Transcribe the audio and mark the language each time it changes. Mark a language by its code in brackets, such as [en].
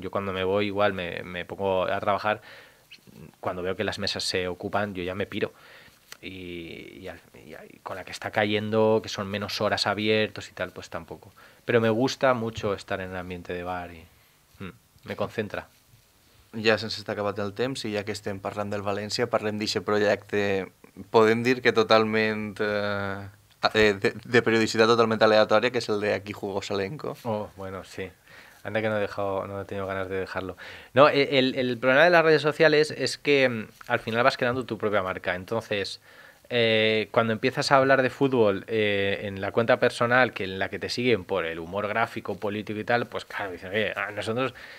[es] Yo cuando me voy igual me pongo a trabajar, cuando veo que las mesas se ocupan yo ya me piro. Y con la que está cayendo, que son menos horas abiertos y tal, pues tampoco. Pero me gusta mucho estar en un ambiente de bar y... me concentra. [ca] Ja se'ns està acabat el temps i ja que estem parlant del València, parlem d'aquest projecte, podem dir que totalment... de periodicitat totalment aleatòria, que és el de Aquí jugó Salenco. [es] Oh, bueno, sí. Anda que no he tenido ganas de dejarlo. No, el problema de las redes sociales es que al final vas creando tu propia marca. Entonces, cuando empiezas a hablar de fútbol en la cuenta personal, que en la que te siguen por el humor gráfico, político y tal, pues claro, dicen, oye, a nosotros...